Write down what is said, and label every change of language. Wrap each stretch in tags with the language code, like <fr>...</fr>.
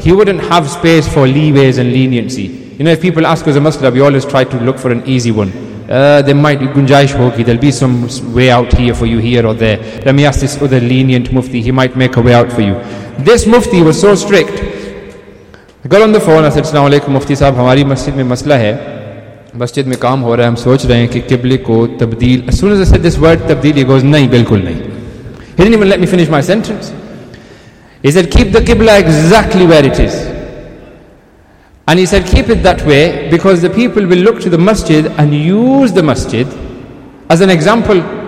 <en>He wouldn't have space for leeways and leniency. You know, if people ask us a masala, we always try to look for an easy one. There might be</en> <ur>gunjaish hogi,</ur> <en>there'll be some way out here for you, here or there. Let me ask this other lenient mufti, he might make a way out for you. This mufti was so strict. I got on the phone, I said,</en> <ur>السلام علیکم مفتی صاحب، ہماری مسجد میں مسئلہ ہے۔ مسجد میں کام ہو رہا ہے، ہم سوچ رہے ہیں کہ قبلہ کو تبدیل۔</ur> <en>As soon as I said this word, تبدیل، he goes،</en> <ur>نہیں، بالکل نہیں۔</ur> <en>He didn't even let me finish my sentence. He said, keep the qibla exactly where it is. And he said, keep it that way because the people will look to the masjid and use the masjid as an example.</en>